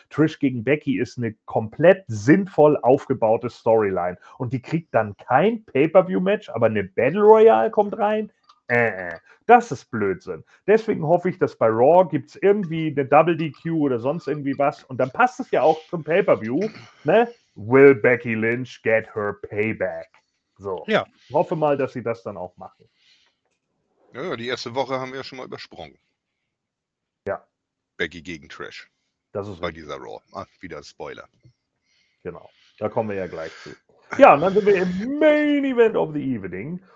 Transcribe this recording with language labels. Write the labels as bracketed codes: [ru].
[de] Trish gegen Becky ist eine komplett sinnvoll aufgebaute Storyline. Und die kriegt dann kein Pay-Per-View-Match, aber eine Battle Royale kommt rein? Das ist Blödsinn. Deswegen hoffe ich, dass bei Raw gibt es irgendwie eine Double DQ oder sonst irgendwie was. Und dann passt es ja auch zum Pay-Per-View. Ne? [en] Will Becky Lynch get her payback? [de] So. Ja. Ich hoffe mal, dass sie das dann auch machen. Ja, die erste Woche haben wir ja schon mal übersprungen. Ja. Becky gegen Trish. Das ist bei dieser Raw. Ah, wieder Spoiler. Genau. Da kommen wir ja gleich zu. Ja, und dann sind wir im [en] Main Event of the Evening.